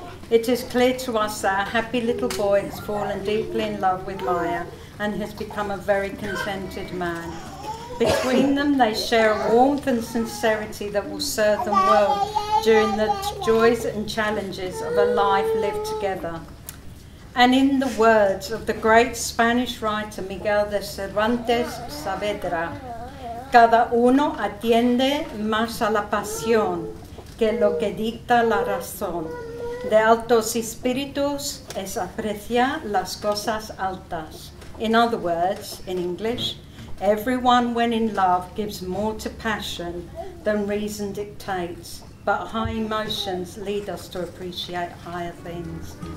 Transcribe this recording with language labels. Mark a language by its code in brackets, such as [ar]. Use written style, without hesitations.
[en] It is clear to us that our happy little boy has fallen deeply in love with Maya and has become a very contented man. Between them, they share a warmth and sincerity that will serve them well during the joys and challenges of a life lived together. And in the words of the great Spanish writer Miguel de Cervantes Saavedra, [es] cada uno atiende más a la pasión que lo que dicta la razón. De altos espíritus es apreciar las cosas altas. [en] In other words, in English, everyone when in love gives more to passion than reason dictates, but high emotions lead us to appreciate higher things.